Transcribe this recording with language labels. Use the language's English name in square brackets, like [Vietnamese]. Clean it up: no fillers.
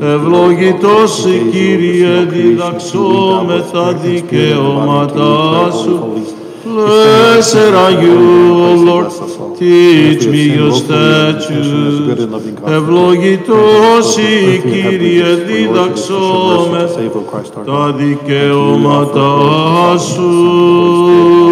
[Greek] Ευλογητός η Κύριε, διδαξώ με τα δικαιώματά σου. [English] Blessed are you, O Lord, teach me your statutes. [Greek] Ευλογητός η Κύριε, διδαξώ με τα δικαιώματά σου.